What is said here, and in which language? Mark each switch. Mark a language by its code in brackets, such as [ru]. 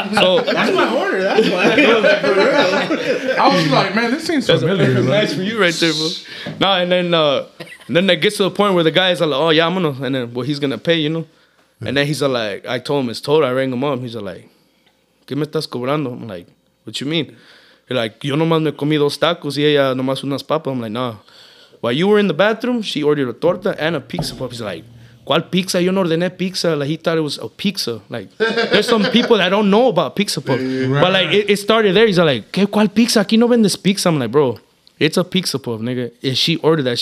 [en] So, that's my order. That's why. I was like, man, this seems that's familiar. Nice right? For you right there, bro. No, and then it gets to the point where the guy's like, oh, yeah, I'm gonna, and then, well, he's gonna pay, you know? And then he's like, I told him it's total. I rang him up. He's like, [es] ¿qué me estás cobrando? [en] I'm like, what you mean? He's like, [es] yo nomás me comí 2 tacos y ella nomás unas papas. [en] I'm like, no. While you were in the bathroom, she ordered a torta and a pizza pop. He's like, [es] ¿cuál pizza? Yo no ordené pizza. [en] Like, he thought it was a pizza. Like, there's some people that don't know about pizza pop. Right. But, like, it started there. He's like, [es] ¿qué, cuál pizza? Aquí no vendes pizza. [en] I'm like, bro, it's a pizza pop, nigga. And she ordered that.